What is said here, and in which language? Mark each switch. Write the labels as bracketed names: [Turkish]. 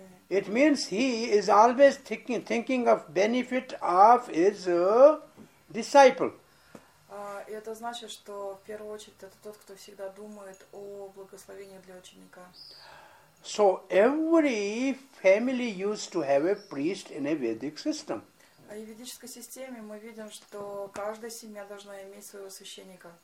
[English] It means he is always thinking of benefit of his disciple. [Russian] Это значит, что в первую очередь это тот, кто всегда думает о благословении для ученика. [English] So every family used to have a priest in a Vedic system. [Russian] В ведической системе мы видим, что каждая семья должна иметь своего священника.